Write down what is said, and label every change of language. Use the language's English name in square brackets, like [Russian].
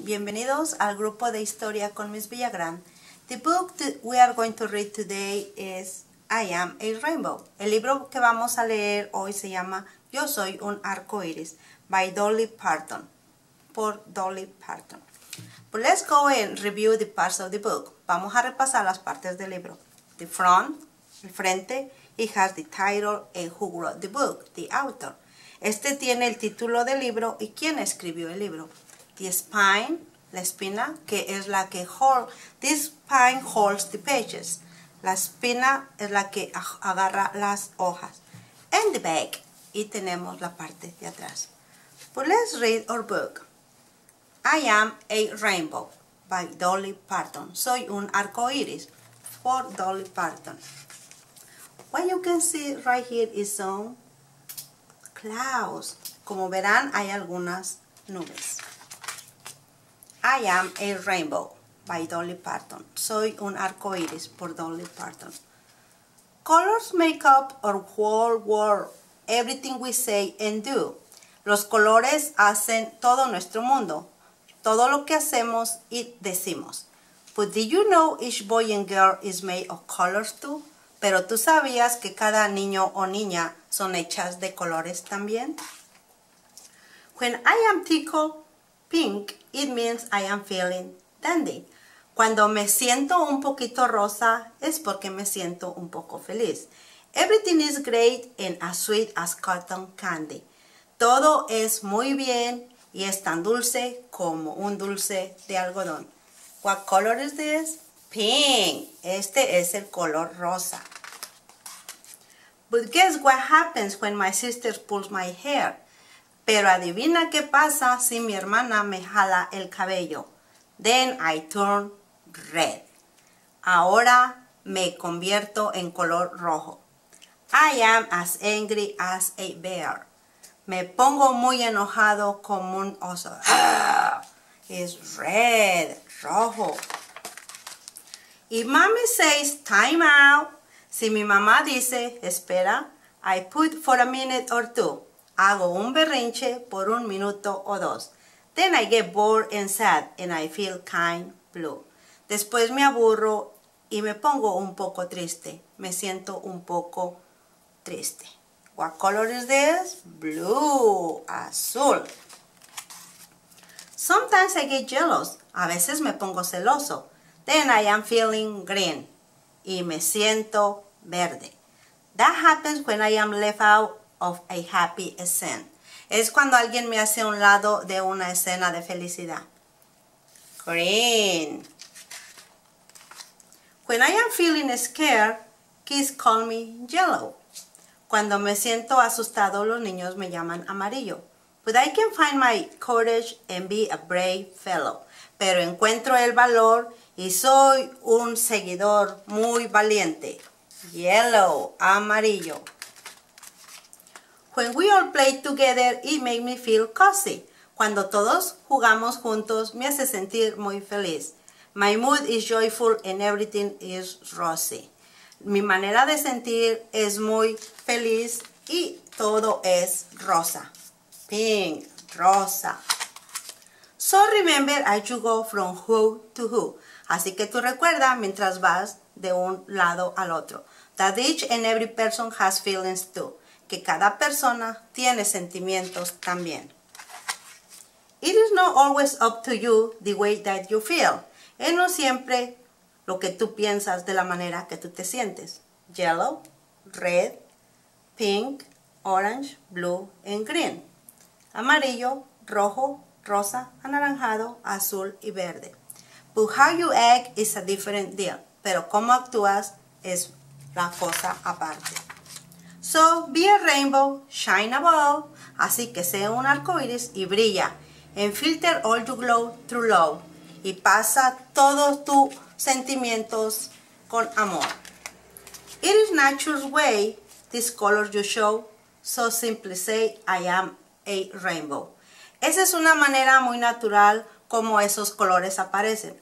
[Spanish] Bienvenidos al grupo de historia con Miss Villagran. [English] The book we are going to read today is I Am a Rainbow. [Spanish] El libro que vamos a leer hoy se llama Yo Soy un Arcoíris by Dolly Parton. Por Dolly Parton. [English] But let's go and review the parts of the book. [Spanish] Vamos a repasar las partes del libro. [English] The front, [Spanish] el frente, [English] it has the title and who wrote the book, the author. [Spanish] Este tiene el título del libro y quién escribió el libro. [English] The spine, [Spanish] la espina, que es la que hold. [English] This spine holds the pages. [Spanish] La espina es la que agarra las hojas. [English] And the back. [Spanish] Y tenemos la parte de atrás. [English] But let's read our book. I Am a Rainbow by Dolly Parton. [Spanish] Soy un arcoíris. For Dolly Parton. [English] What you can see right here is some clouds. [Spanish] Como verán, hay algunas nubes. I Am a Rainbow by Dolly Parton. Soy un arcoíris por Dolly Parton. [English] Colors make up our whole world, everything we say and do. [Spanish] Los colores hacen todo nuestro mundo, todo lo que hacemos y decimos. [English] But did you know each boy and girl is made of colors too? [Spanish] Pero tú sabías que cada niño o niña son hechas de colores también. [English] When I am tickled pink, it means I am feeling dandy. [Spanish] Cuando me siento un poquito rosa, es porque me siento un poco feliz. [English] Everything is great and as sweet as cotton candy. [Spanish] Todo es muy bien y es tan dulce como un dulce de algodón. [English] What color is this? Pink. [Spanish] Este es el color rosa. [English] But guess what happens when my sister pulls my hair? [Spanish] Pero adivina qué pasa si mi hermana me jala el cabello. [English] Then I turn red. [Spanish] Ahora me convierto en color rojo. [English] I am as angry as a bear. [Spanish] Me pongo muy enojado como un oso. [English] It's red, rojo. If mommy says time out, [Spanish] si mi mamá dice espera, [English] I put for a minute or two. [Spanish] Hago un berrinche por un minuto o dos. [English] Then I get bored and sad and I feel kind blue. [Spanish] Después me aburro y me pongo un poco triste. Me siento un poco triste. [English] What color is this? Blue, azul. Sometimes I get jealous. [Spanish] A veces me pongo celoso. [English] Then I am feeling green. [Spanish] Y me siento verde. [English] That happens when I am left out of a happy scene. [Spanish] Es cuando alguien me hace a un lado de una escena de felicidad. [English] Green. When I am feeling scared, kids call me yellow. [Spanish] Cuando me siento asustado, los niños me llaman amarillo. [English] But I can find my courage and be a brave fellow. [Spanish] Pero encuentro el valor y soy un seguidor muy valiente. [English] Yellow, amarillo. When we all play together, it makes me feel cozy. [Spanish] Cuando todos jugamos juntos, me hace sentir muy feliz. [English] My mood is joyful and everything is rosy. [Spanish] Mi manera de sentir es muy feliz y todo es rosa. [English] Pink, rosa. So remember as you go from who to who. [Spanish] Así que tú recuerda mientras vas de un lado al otro. [English] That each and every person has feelings too. [Spanish] Que cada persona tiene sentimientos también. [English] It is not always up to you the way that you feel. [Spanish] Es no siempre lo que tú piensas de la manera que tú te sientes. [English] Yellow, red, pink, orange, blue, and green. [Spanish] Amarillo, rojo, rosa, anaranjado, azul y verde. [English] But how you act is a different deal. [Spanish] Pero cómo actúas es la cosa aparte. [English] So, be a rainbow, shine above. [Spanish] Así que sé un arcoíris y brilla. [English] And filter all your glow through love. [Spanish] Y pasa todos tus sentimientos con amor. [English] It is nature's way, this color you show. So simply say, I am a rainbow. [Spanish] Esa es una manera muy natural como esos colores aparecen.